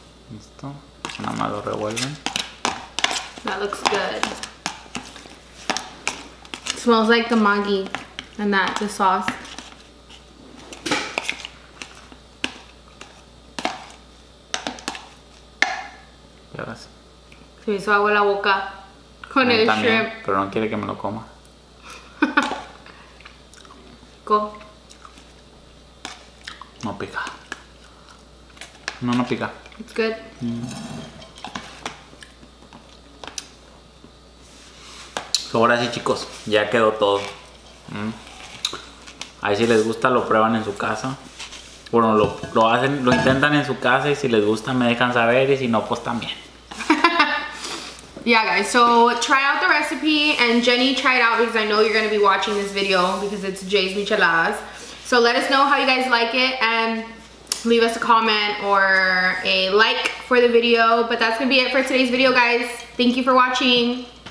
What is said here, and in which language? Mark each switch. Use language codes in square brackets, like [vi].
[es] Listo, nada más lo revuelven. [en] That looks good. It smells like the Maggi and that, the sauce. [es] Se me hizo agua la boca con el también, [en] shrimp. [es] Pero no quiere que me lo coma. [en] Go. [es] No pica. No, no pica. [en] It's good. [es] Ahora sí, chicos, ya quedó todo. Ahí si les gusta lo prueban en su casa. Bueno, lo hacen, lo intentan en su casa y si les gusta me dejan saber y si no, pues también. [en] Yeah, guys, so try out the recipe and Jenny, try it out because I know you're going to be watching this video because it's Jay's Micheladas. So let us know how you guys like it and leave us a comment or a like for the video. But that's going to be it for today's video, guys. Thank you for watching.